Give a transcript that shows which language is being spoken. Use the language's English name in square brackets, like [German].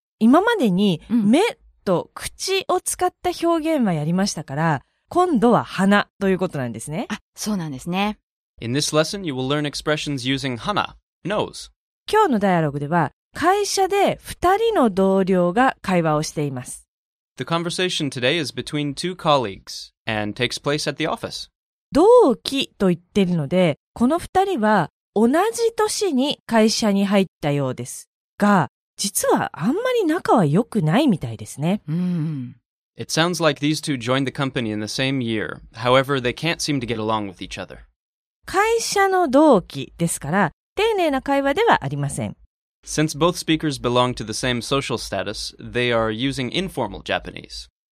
[Japanese] 今までに、目と口を使った表現はやりましたから、今度は花ということなんですね。あ、そうなんですね。 [English] In this lesson, you will learn expressions using hana, nose. [Japanese] 今日のダイアログでは、会社で二人の同僚が会話をしています。 [English] The conversation today is between two colleagues and takes place at the office. [Japanese] 同期と言ってるので、この二人は同じ年に会社に入ったようです。が、実はあんまり仲は良くないみたいですね。 [English] It sounds like these two joined the company in the same year. However, they can't seem to get along with each other. [Japanese] 会社の同期ですから、丁寧な会話ではありません。 [English] Since both speakers belong to the same social status, they are using informal Japanese.